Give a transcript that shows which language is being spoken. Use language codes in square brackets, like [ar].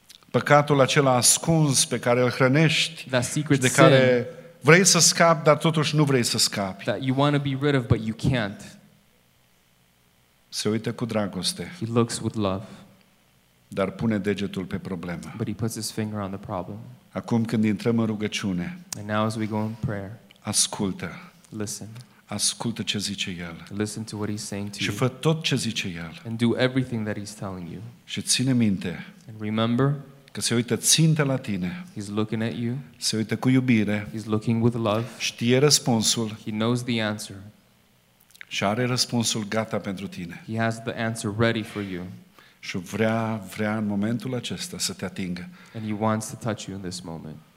[ro] păcatul acela ascuns pe care îl hrănești, [en] that secret [ro] de care [en] sin, [ro] vrei să scapi, dar totuși nu vrei să scapi. [en] That you want to be rid of, but you can't. [ro] Se uită cu dragoste. [en] He looks with love. [ro] Dar pune degetul pe problemă. [en] But he puts his finger on the problem. [ro] Acum când intrăm în rugăciune, [en] and now as we go in prayer, [ro] ascultă. [en] Listen. [ro] Ascultă ce zice el. [en] Listen to what he's saying to you. [ro] Și fă tot ce zice el. [en] And do everything that he's telling you. [ro] Și ține minte. [en] And remember. [ro] Că se uită țintă la tine. [en] He's looking at you. [ro] Se uită cu iubire. [en] He's looking with love. [ro] Știe răspunsul. [en] He knows the answer. [ro] Și are răspunsul gata pentru tine. [en] He has the answer ready for you. [ro] Și vrea în momentul acesta să te atingă. [en] And he wants to touch you in this moment.